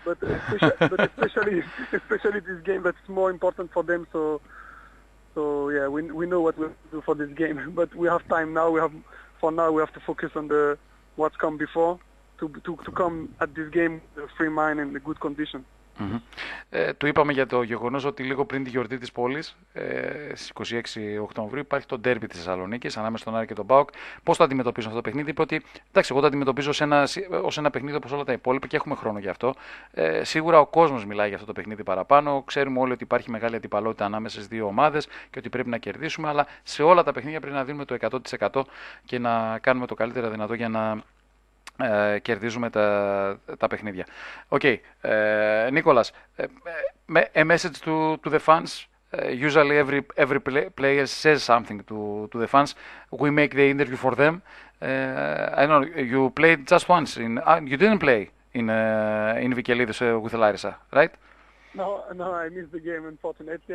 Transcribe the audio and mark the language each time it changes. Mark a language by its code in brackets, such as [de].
[en] But especially this game that's more important for them. So yeah, we know what we have to do for this game. But we have time now. For now we have to focus on the what's come before to come at this game with a free mind and a good condition. [el] Του είπαμε για το γεγονός ότι λίγο πριν τη γιορτή της πόλης, στις 26 Οκτωβρίου, υπάρχει το ντέρμπι της Θεσσαλονίκη ανάμεσα στον Άρη και τον ΠΑΟΚ. Πώς το αντιμετωπίζουν αυτό το παιχνίδι? Είπε ότι εντάξει, εγώ το αντιμετωπίζω ως ένα παιχνίδι όπως όλα τα υπόλοιπα και έχουμε χρόνο γι' αυτό. Σίγουρα ο κόσμος μιλάει για αυτό το παιχνίδι παραπάνω. Ξέρουμε όλοι ότι υπάρχει μεγάλη αντιπαλότητα ανάμεσα στις δύο ομάδες και ότι πρέπει να κερδίσουμε. Αλλά σε όλα τα παιχνίδια πρέπει να δίνουμε το 100% και να κάνουμε το καλύτερα δυνατό για να κερδίζουμε τα παιχνίδια. [en] Okay, Nicolas, a message to the fans. Usually every player says something to the fans. We make the interview for them. I know you played just once in you didn't play in Vikelidis with Larissa, right? No, I missed the game, unfortunately.